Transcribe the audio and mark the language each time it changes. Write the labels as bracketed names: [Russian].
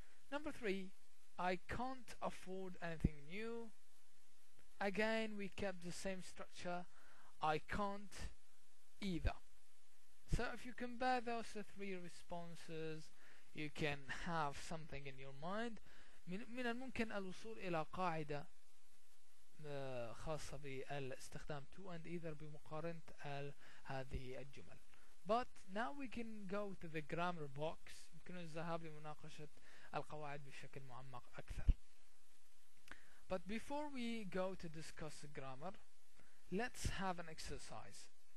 [English] Number three, I can't afford anything new. Again, we kept the same structure, I can't either. So if you compare those three responses, you can have something in your mind. [Arabic] من الممكن الوصول إلى قاعدة خاصة بالاستخدام to and either بمقارنة هذه الجمل. [English] But now we can go to the grammar box. [Arabic] يمكن الذهاب لمناقشة القواعد بشكل معمق أكثر. [English] But before we go to discuss the grammar, let's have an exercise.